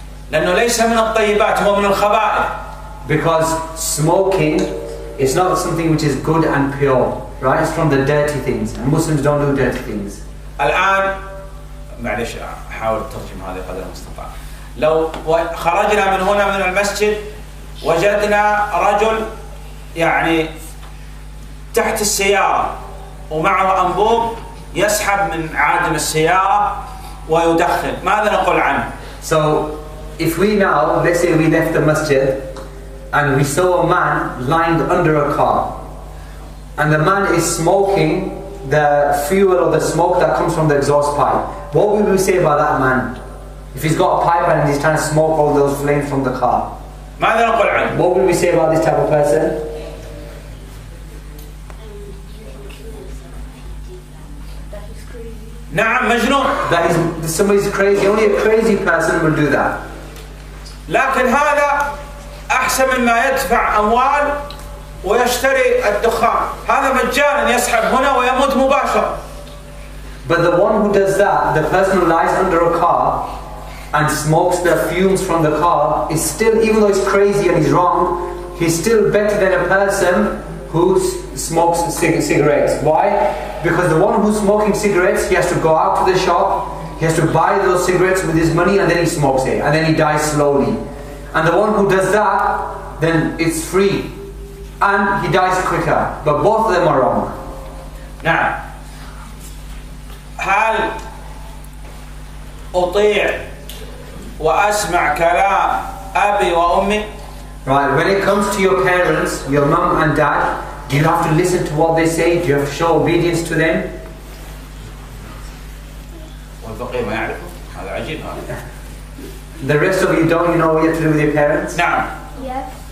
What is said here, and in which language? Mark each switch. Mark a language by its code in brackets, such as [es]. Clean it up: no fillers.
[ar] لأنه ليس من الطيبات، هو من الخبائث. [en] Because smoking is not something which is good and pure, right? It's from the dirty things, and Muslims don't do dirty things. [ar] الآن معلش أحاول ترجم هذا قدر المستطاع. لو خرجنا من هنا من المسجد وجدنا رجل يعني تحت السيارة ومعه أنبوب يسحب من عادم السيارة ويدخن. ماذا نقول عنه؟ [en] So if we now, let's say we left the masjid and we saw a man lying under a car and the man is smoking the fuel or the smoke that comes from the exhaust pipe, what would we say about that man? If he's got a pipe and he's trying to smoke all those flames from the car, [ar] ماذا نقول عنه؟ [en] What would we say about this type of person? [ar] نعم مجنون. [en] That is somebody's crazy. Only a crazy person will do that. [ar] لكن هذا أحسن مما يدفع أموال ويشتري الدخان. هذا مجانا يسحب هنا ويموت مباشرة. [en] But the one who does that, the person who lies under a car and smokes the fumes from the car, is still, even though it's crazy and he's wrong, he's still better than a person who smokes cigarettes. Why? Because the one who's smoking cigarettes, he has to go out to the shop, he has to buy those cigarettes with his money, and then he smokes it, and then he dies slowly. And the one who does that, then it's free, and he dies quicker. But both of them are wrong. Now, [ar] هل أطيع وأسمع كلام أبي وأمي؟ [en] Right, when it comes to your parents, your mom and dad, do you have to listen to what they say? Do you have to show obedience to them? The rest of you don't, you know what you have to do with your parents? No. Yes.